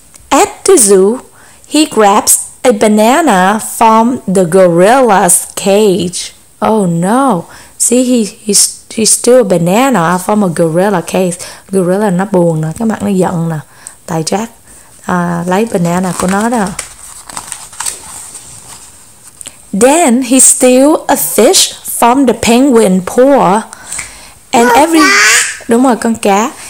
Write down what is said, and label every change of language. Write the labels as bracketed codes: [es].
[en] At the zoo, he grabs a banana from the gorilla's cage. Oh no! See, he She stole a banana from a gorilla case. [vi] Gorilla nó buồn nè, cái mặt nó giận nè. Tại Jack lấy banana của nó đó. [en] Then he stole a fish from the penguin pool. And every [vi] đúng rồi, con cá.